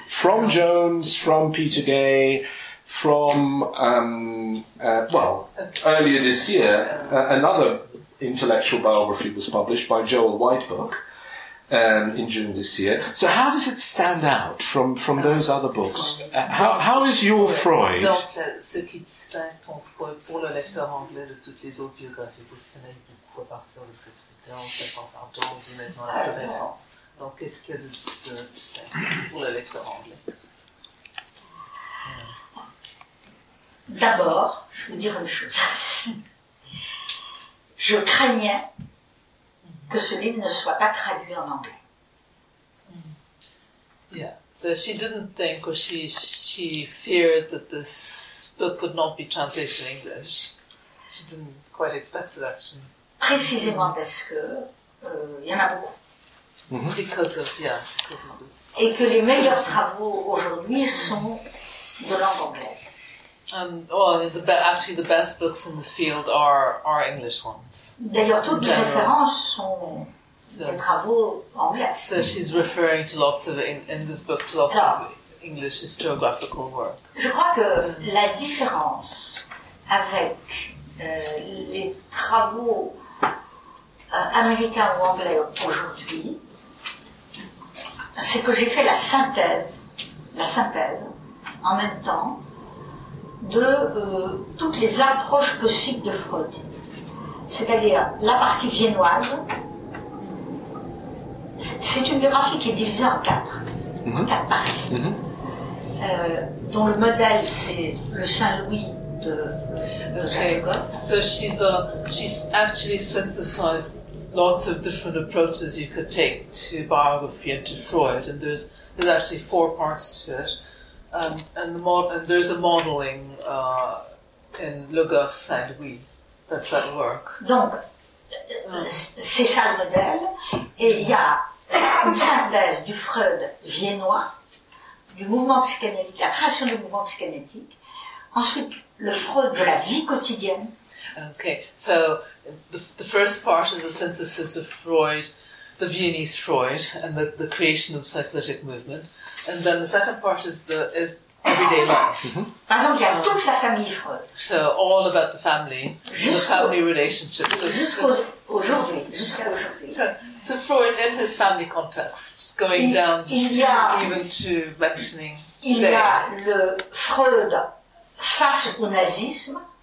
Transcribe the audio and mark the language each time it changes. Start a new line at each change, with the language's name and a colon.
English: From Jones, from Peter Gay, from, earlier this year, another intellectual biography was published by Joel Whitebook in June this year. So how does it stand out from those other books? How is your Freud?
French: Donc, ce qui distingue ton Freud pour le lecteur anglais de toutes les autres biographies, parce qu'il y en a eu beaucoup à partir du presbytère, en passant par Jones et maintenant la plus récente. Donc qu'est-ce qu'il y a de distingue pour le lecteur anglais? D'abord, je vais dire une chose. Je craignais que ce livre ne soit pas traduit en anglais.
English: Yeah. So she didn't think, or she feared that this book would not be translated in English. She didn't quite expect it, actually.
French: Précisément parce que il y en a beaucoup.
English: Mm-hmm. Because of, yeah, because of this.
French: Et que les meilleurs travaux aujourd'hui sont de langue anglaise.
English: And well, actually, the best books in the field are English ones.
French: D'ailleurs, toutes les références sont des travaux anglais.
English: So she's referring to lots of in this book to lots of English historiographical work.
French: Je crois que la différence avec les travaux américains ou anglais aujourd'hui, c'est que j'ai fait la synthèse, en même temps. De toutes les approches possibles de Freud. C'est-à-dire la partie viennoise, c'est une biographie qui est divisée en quatre. Mm-hmm. Quatre parties. Mm-hmm. Dont le modèle, c'est le Saint-Louis de Jacques Gott.
English: So she's actually synthesized lots of different approaches you could take to biography and to Freud. And there's actually four parts to it. And there's a modeling in Le Goff Saint-Louis that's at work.
French: Donc, c'est ça le modèle. Et il y a une synthèse du Freud viennois, du mouvement psychanalytique, la création du mouvement psychanalytique. Ensuite, le Freud de la vie quotidienne.
English: Okay, so the first part is a synthesis of Freud, the Viennese Freud, and the creation of the psychoanalytic movement. And then the second part is everyday life.
French: Mm-hmm. Par exemple, il y a toute la famille Freud.
English: So all about the family, the family relationship. So
French: jusqu'à aujourd'hui.
English: So Freud in his family context, going down even to mentioning
French: il
English: today.
French: Y a le Freud face au nazisme.